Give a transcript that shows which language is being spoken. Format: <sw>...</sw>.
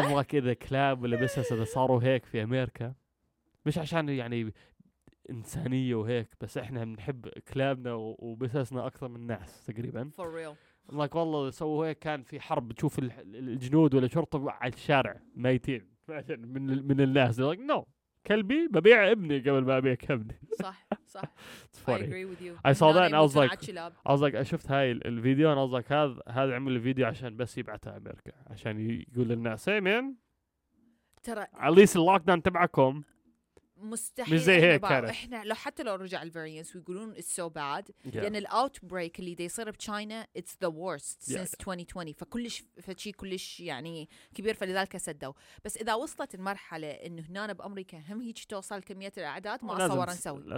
<ar>أصدق كذا كلاب ولا بسس إذا صاروا هيك في أمريكا مش عشان يعني إنسانية وهيك بس إحنا بنحب كلابنا وبسسنا أكثر من الناس تقريبا.</ar> <en>For real.</en> <ar>أصدق والله سووا هيك كان في حرب تشوف الجنود ولا شرطة على الشارع ميتين من الناس.</ar> <en>They're like no.</en> <ar>كلبي ببيع ابني قبل ما ابيع كلبي صح صح</ar> <en>I agree with you I saw that and I was like</en> <ar>شفت هاي الفيديو انا قصدك هذا عمل الفيديو عشان بس يبعته امريكا عشان يقول للناس اي مان ترى</ar> <en>at least اللوك داون تبعكم</en> <ar>مستحيل زي هيك احنا لو حتى لو رجع الفيرينس ويقولون</ar> <en>it's so bad</en> <ar>لان الاوت بريك اللي دي يصير بتشاينا</ar> <en>it's the worst since 2020</en> <ar>فكلش فشي كلش يعني كبير فلذلك سدوا بس اذا وصلت المرحله انه هنا بامريكا هم هيك توصل كميه الاعداد ما اصور نسوي</ar>